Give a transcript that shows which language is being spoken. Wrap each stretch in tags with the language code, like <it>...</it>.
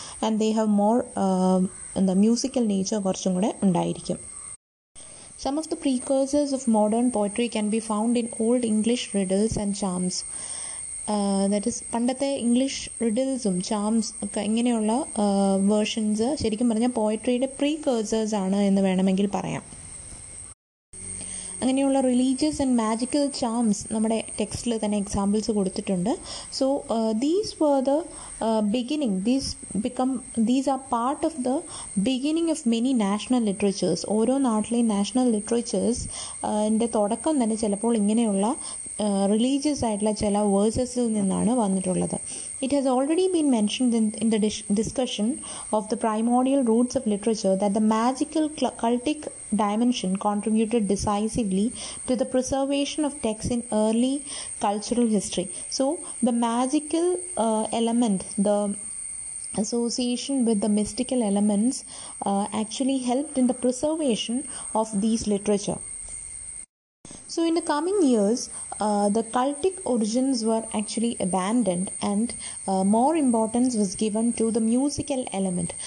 <en>and they have more</en> <ml>എന്താ musical nature കുറച്ചും കൂടെ ഉണ്ടായിരിക്കും.</ml> <en>Some of the precursors of modern poetry can be found in old English riddles and charms. That is,</en> <ml>pandathe English riddles um charms okke ingeneyulla versions sherikkum paranja poetry's precursors aanu ennu venamengil parayam. അങ്ങനെയുള്ള religious and magical charms നമ്മുടെ ടെക്സ്റ്റിൽ തന്നെ examples കൊടുത്തിട്ടുണ്ട്.</ml> <en>So these were the beginning these are part of the beginning of many national literatures.</en> <ml>ഓരോ നാട്ടിലെയും national ലിറ്ററേച്ചേഴ്സിൻ്റെ തുടക്കം തന്നെ ചിലപ്പോൾ ഇങ്ങനെയുള്ള റിലീജിയസ് ആയിട്ടുള്ള ചില വേഴ്സസിൽ നിന്നാണ് വന്നിട്ടുള്ളത്.</ml> <en>It has already been mentioned in the discussion of the primordial roots of literature that the magical cultic dimension contributed decisively to the preservation of texts in early cultural history. So the magical element, the association with the mystical elements actually helped in the preservation of these literature. So in the coming years the cultic origins were actually abandoned and more importance was given to the musical element.</en>